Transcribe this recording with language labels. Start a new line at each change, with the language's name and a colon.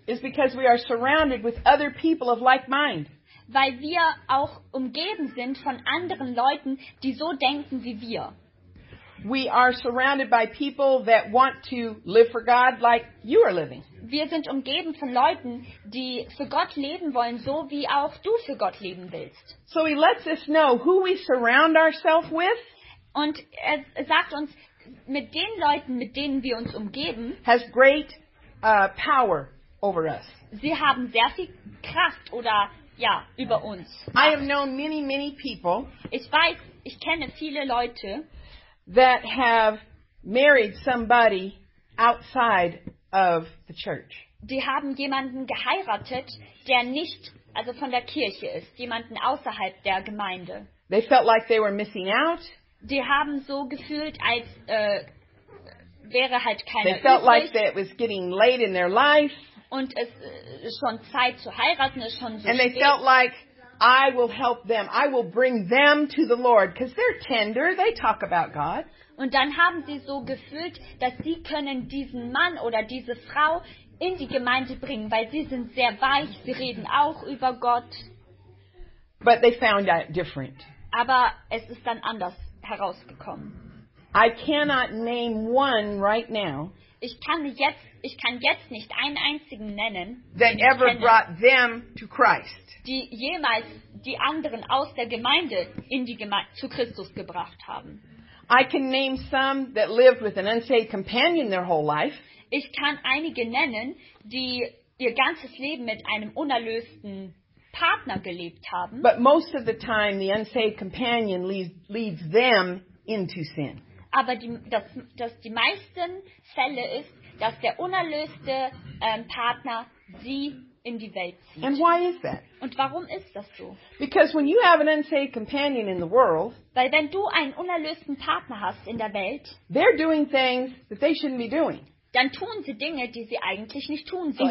English: Is because we are surrounded with other people of like mind.
German: Weil wir auch umgeben sind von anderen Leuten, die so denken wie wir.
English: We are surrounded by people that want to live for God like you are living.
German: Wir sind umgeben von Leuten, die für Gott leben wollen, so wie auch du für Gott leben willst.
English: So he lets us know who we surround ourselves with.
German: Und er sagt uns, mit den Leuten, mit denen wir uns umgeben,
English: has great power over us.
German: Sie haben sehr viel Kraft oder ja, über uns.
English: I have known many, many people.
German: Ich weiß, ich kenne viele Leute,
English: that have married somebody outside of the church.
German: Die haben jemanden geheiratet, der nicht, also von der Kirche ist, jemanden außerhalb der Gemeinde.
English: They felt like they were missing out.
German: Die haben so gefühlt, als wäre halt keiner
English: They felt
German: übrig.
English: Like that it was getting late in their life.
German: Und es schon Zeit zu heiraten ist schon so
English: And
German: spät.
English: They felt like I will help them. I will bring them to the Lord because they're tender. They talk about God.
German: Und dann haben sie so gefühlt, dass sie können diesen Mann oder diese Frau in die Gemeinde bringen, weil sie sind sehr weich, sie reden auch über Gott.
English: But they found out different.
German: Aber es ist dann anders herausgekommen.
English: I cannot name one right now.
German: Ich kann jetzt nicht einen einzigen nennen,
English: that ever brought them to Christ.
German: Die jemals die anderen aus der Gemeinde in die zu Christus gebracht haben.
English: I can name some that lived with an unsaved companion their whole life.
German: Ich kann einige nennen, die ihr ganzes Leben mit einem unerlösten Partner gelebt haben.
English: But most of the time the unsaved companion leads them into sin.
German: Aber die meisten Fälle ist, dass der unerlöste Partner sie in die Welt zieht.
English: And why is that?
German: Und warum ist das so?
English: Because when you have an unsaved companion in the world,
German: weil wenn du einen unerlösten Partner hast in der Welt,
English: they're doing things that they shouldn't be doing.
German: Dann tun sie Dinge, die sie eigentlich nicht tun sollten.